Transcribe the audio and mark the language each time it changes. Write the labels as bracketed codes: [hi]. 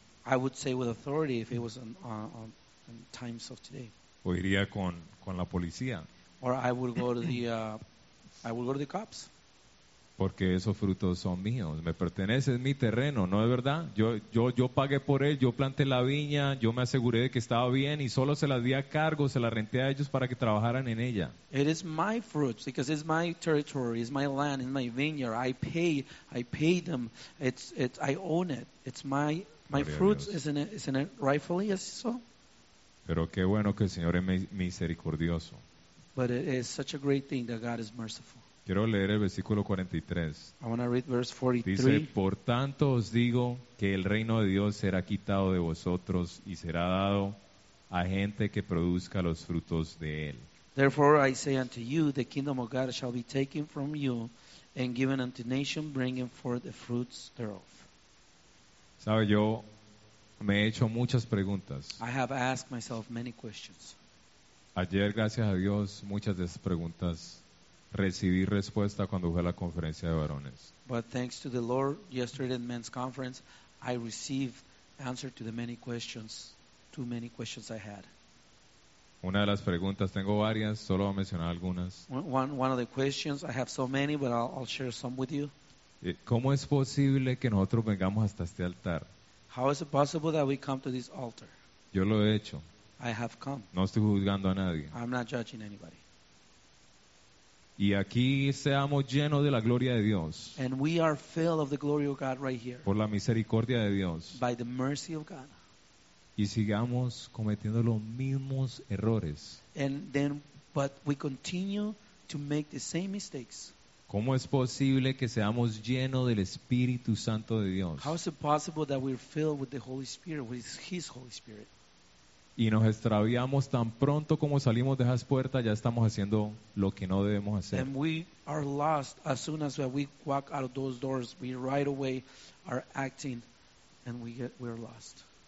[en] I would say with authority if it was on times of today. [es] O iría con la policía. [en] Or I would go to the cops. [es] Porque esos frutos son míos, me pertenece, es mi terreno, ¿no es verdad? Yo pagué por él, yo planté la viña, yo me aseguré de que estaba bien y solo se la di a cargo, se la renté a ellos para que trabajaran en ella. [en] It is my fruits because it's my territory, it's my land, it's my vineyard. I pay them. I own it. It's my fruits, isn't it rightfully so? [es] Pero qué bueno que el Señor es misericordioso. [en] But it is such a great thing that God is merciful. [es] Quiero leer el versículo 43. [en] I want to read verse 43. [es] Dice, por tanto os digo que el reino de Dios será quitado de vosotros y será dado a gente que produzca los frutos de él. [en] Therefore I say unto you, the kingdom of God shall be taken from you and given unto nation bringing forth the fruits thereof. [es] Sabe, yo me he hecho muchas preguntas. [en] I have asked myself many questions. [es] Ayer, gracias a Dios, muchas de esas preguntas recibí respuesta cuando fue a la conferencia de varones. [en] But thanks to the Lord, yesterday in men's conference, I received answer to the many questions, too many questions I had. [es] Una de las preguntas, tengo varias, solo voy a mencionar algunas. [en] One of the questions, I have so many, but I'll share some with you. [es] ¿Cómo es posible que nosotros vengamos hasta este altar? [en] How is it possible that we come to this altar? [es] Yo lo he hecho. [en] I have come. [es] No estoy juzgando a nadie. [en] I'm not judging anybody. [es] Y aquí seamos llenos de la gloria de Dios. [en] And we are filled of the glory of God right here. [es] Por la misericordia de Dios. [en] By the mercy of God. [es] Y sigamos cometiendo los mismos errores. [en] But we continue to make the same mistakes. [es] ¿Cómo es posible que seamos llenos del Espíritu Santo de Dios? [en] How is it possible that we're filled with the Holy Spirit, with His Holy Spirit? [es] Y nos extraviamos tan pronto como salimos de esas puertas, ya estamos haciendo lo que no debemos hacer. [en] And we are lost as soon as we walk out of those doors. We right away are acting and we're lost.